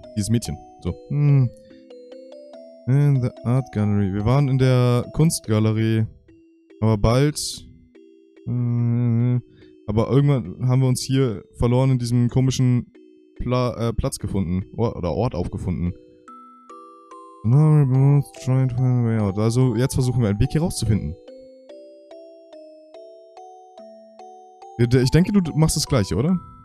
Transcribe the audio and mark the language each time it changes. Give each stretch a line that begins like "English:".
German: Dieses Mädchen.
English: So. In the Art Gallery.
German: Wir waren in der Kunstgalerie. Aber bald... aber irgendwann haben wir uns hier verloren in diesem komischen Platz gefunden. Oder Ort aufgefunden.
English: Now we're both trying to find a way out.
German: Also jetzt versuchen wir einen Weg hier rauszufinden. Ich denke, du machst das gleiche, oder?